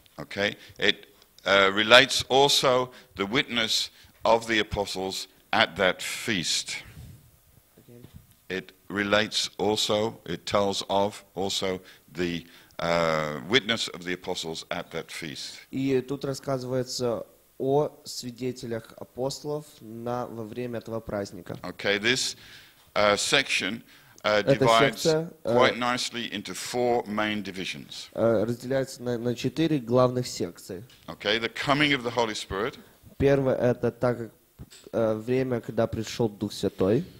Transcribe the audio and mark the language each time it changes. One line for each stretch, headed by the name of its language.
English: Okay, it relates also the witness of the apostles at that feast. Again. It relates also, it tells of also the witness of the apostles at that feast.
Russian: И тут рассказывается о свидетелях апостолов на во время этого праздника.
English: Okay, this section divides quite nicely into four main divisions.
Russian: Разделяется на четыре главных секции.
English: Okay, the coming of the Holy Spirit.
Russian: Первое это так как время, когда пришел Дух Святой.